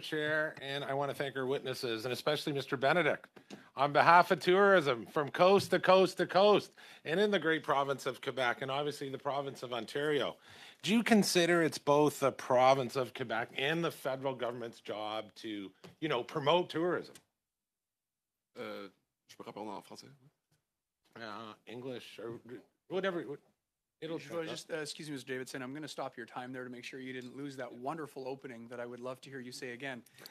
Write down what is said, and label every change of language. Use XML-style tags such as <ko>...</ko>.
<en>Chair, and I want to thank our witnesses, and especially Mr. Benedict. On behalf of tourism, from coast to coast to coast, and in the great province of Quebec, and obviously the province of Ontario, do you consider it's both the province of Quebec and the federal government's job to, promote tourism?</en> <fr>Je peux répondre en français?</fr> <en>English, or whatever. Excuse me, Mr. Davidson, I'm going to stop your time there to make sure you didn't lose that wonderful opening that I would love to hear you say again.</en>